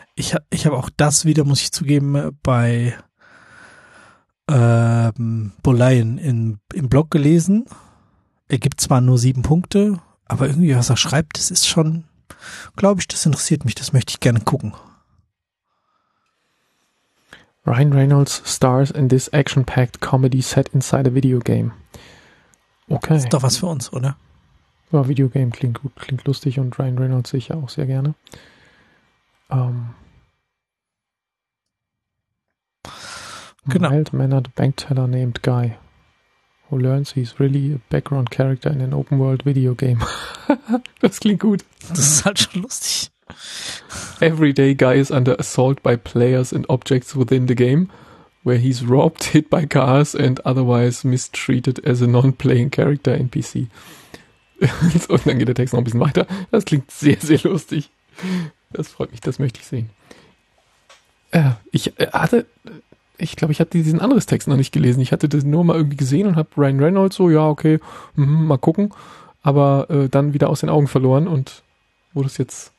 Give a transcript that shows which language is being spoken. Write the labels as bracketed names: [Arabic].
[German] Ich habe auch das wieder, muss ich zugeben, bei Bullion im Blog gelesen. Er gibt zwar nur 7 Punkte, aber irgendwie, was er schreibt, das ist schon, glaube ich, das interessiert mich. Das möchte ich gerne gucken. [English] Ryan Reynolds stars in this action-packed comedy set inside a video game. Okay. [German] Ist doch was für uns, oder? Aber Videogame klingt gut, klingt lustig, und Ryan Reynolds sehe ich ja auch sehr gerne. Genau. [English] Wild mannered bank teller named Guy, who learns he's really a background character in an open world video game. [German] Das klingt gut. Das ist halt schon lustig. [English] Everyday Guy is under assault by players and objects within the game, where he's robbed, hit by cars and otherwise mistreated as a non-playing character NPC. [German] Und dann geht der Text noch ein bisschen weiter. Das klingt sehr, sehr lustig. Das freut mich, das möchte ich sehen. Ich glaube, ich hatte diesen anderes Text noch nicht gelesen. Ich hatte das nur mal irgendwie gesehen und habe Ryan Reynolds so, ja, okay, mal gucken. Aber dann wieder aus den Augen verloren, und wurde es jetzt.